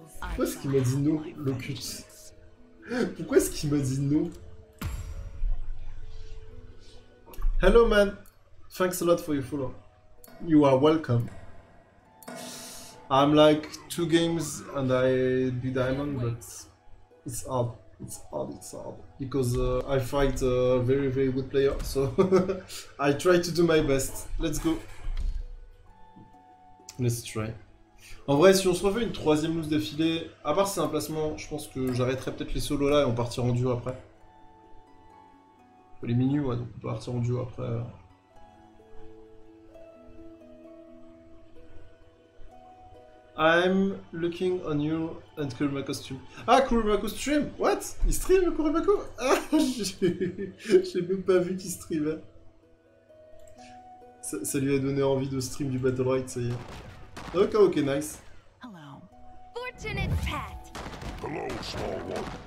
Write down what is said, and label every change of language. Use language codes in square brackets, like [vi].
[fr] Pourquoi est-ce qu'il m'a dit non, Locutus? Pourquoi est-ce qu'il m'a dit non? [en] Hello man, thanks a lot for your follow. You are welcome. I'm like 2 games and I be diamond, but it's hard. It's hard. It's hard because I fight a very very good player. So I try to do my best. Let's go. Let's try. [fr] En vrai, si on se refait une troisième loose d'affilée, à part c'est un placement, je pense que j'arrêterai peut-être les solos là et on partira en duo après. Les minus, ouais, donc on peut partir en duo après. [en] I'm looking on you and Kurumako stream. Ah, Kurumako stream! What? [fr] Il stream, Kurumako? Ah, j'ai même pas vu qu'il stream. Hein. Ça lui a donné envie de stream du Battle Royale, ça y est. [en] Ok, ok, nice. Hello, fortunate pet. Hello, small one.